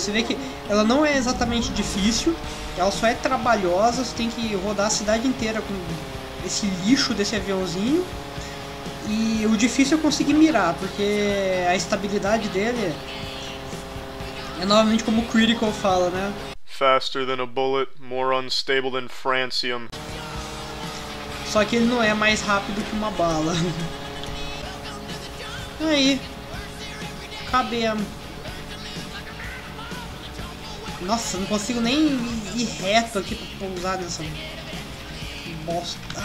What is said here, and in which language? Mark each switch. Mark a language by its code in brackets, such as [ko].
[pt] Você vê que ela não é exatamente difícil. Ela só é trabalhosa. Você tem que rodar a cidade inteira com esse lixo desse aviãozinho. E o difícil é conseguir mirar, porque a estabilidade dele é novamente como o Critical fala, né? [en] Faster than a bullet, more unstable than francium. [pt] Só que ele não é mais rápido que uma bala. Aí, cabemos. Nossa, não consigo nem ir reto aqui pra pousar nessa bosta.